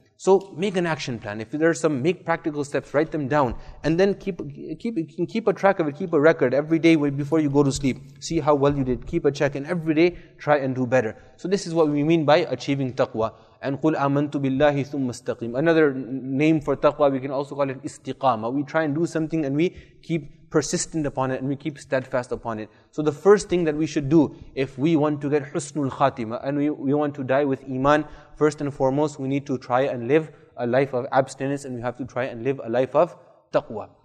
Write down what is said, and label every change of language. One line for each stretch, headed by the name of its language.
English: So make an action plan. If there are some, make practical steps, write them down, and then keep a track of it, keep a record every day before you go to sleep. See how well you did, keep a check, and every day try and do better. So this is what we mean by achieving taqwa. And
Arabic: قُلْ أَمَنْتُ بِاللَّهِ ثُمَّ اسْتَقِيمُ.
English: Another name for taqwa, we can also call it istiqama. We try and do something and we keep persistent upon it and we keep steadfast upon it. So the first thing that we should do if we want to get husnul khatima and we want to die with iman, first and foremost, we need to try and live a life of abstinence and we have to try and live a life of taqwa.